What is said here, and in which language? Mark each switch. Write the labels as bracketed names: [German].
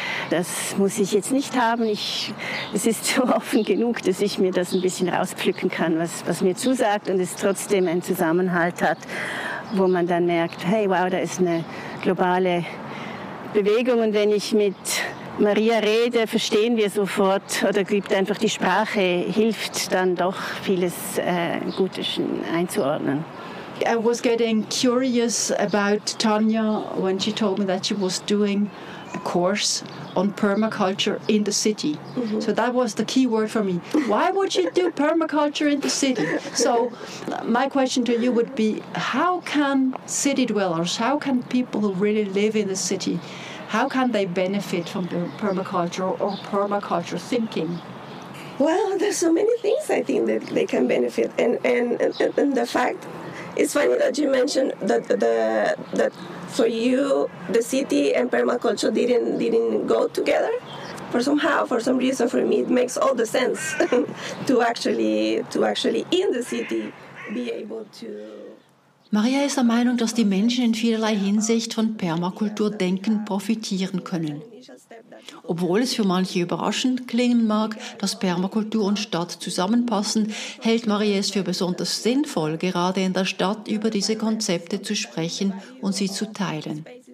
[German] Das muss ich jetzt nicht haben. Es ist so offen genug, dass ich mir das ein bisschen rauspflücken kann, was mir zusagt und es trotzdem einen Zusammenhalt hat, wo man dann merkt, hey, wow, da ist eine globale Bewegung. Und wenn ich mit Maria rede, verstehen wir sofort oder gibt einfach die Sprache, hilft dann doch vieles gut einzuordnen. [English] I was getting curious about Tanya when she told me that she was doing a course on permaculture in the city. Mm-hmm. So that was the key word for me. Why would you do permaculture in the city? So my question to you would be, how can city dwellers, how can people who really live in the city, how can they benefit from permaculture or permaculture thinking? Well, there's so many things I think that they can benefit. And the fact, it's funny that you mentioned that that for you the city and permaculture didn't go together. For some reason, for me it makes all the sense to actually in the city be able to. [German] Maria ist der Meinung, dass die Menschen in vielerlei Hinsicht von Permakulturdenken profitieren können. Obwohl es für manche überraschend klingen mag, dass Permakultur und Stadt zusammenpassen, hält Maria es für besonders sinnvoll, gerade in der Stadt über diese Konzepte zu sprechen und sie zu teilen.